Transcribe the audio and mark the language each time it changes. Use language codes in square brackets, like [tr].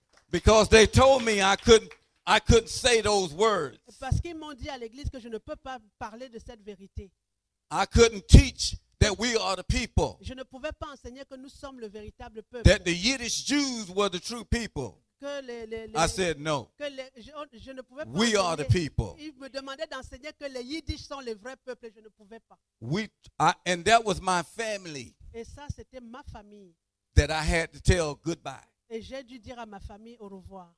[en] Because they told me I couldn't say those words. [fr] Parce qu'ils m'ont dit à l'église que je ne peux pas parler de cette vérité. [en] I couldn't teach that we are the people. [fr] Je ne pouvais pas enseigner que nous sommes le véritable peuple. [en] That the Yiddish Jews were the true people. [fr] Que les [en] I said no. [fr] Que les, je ne pouvais pas [en] we [fr] enseigner. [en] Are the people. [fr] Ils me demandaient d'enseigner que les Yiddish sont les vrais peuples. Je ne pouvais pas. [en] And that was my family. [fr] Et ça, c'était ma famille. [en] That I had to tell goodbye. [fr] Et j'ai dû dire à ma famille au revoir.